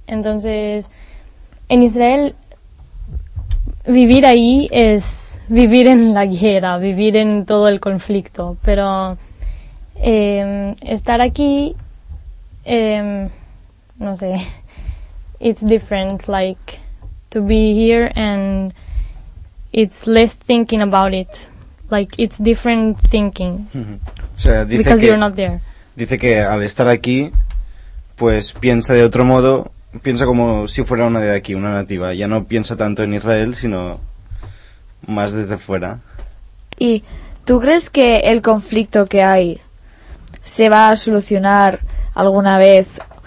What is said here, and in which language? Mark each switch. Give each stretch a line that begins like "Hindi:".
Spanish: Entonces en Israel vivir ahí es vivir en la guerra, vivir en todo el conflicto, pero estar aquí no sé,
English: it's different, like, to be here and it's less thinking about it. Like, it's different thinking.
Spanish: O sea, dice
English: because
Spanish: que,
English: you're not there.
Spanish: Dice que al estar aquí, pues piensa de otro modo, piensa como si fuera una de aquí, una nativa. Ya no piensa tanto en Israel, sino más desde fuera. ¿Y tú crees que el conflicto que hay se va a solucionar alguna vez?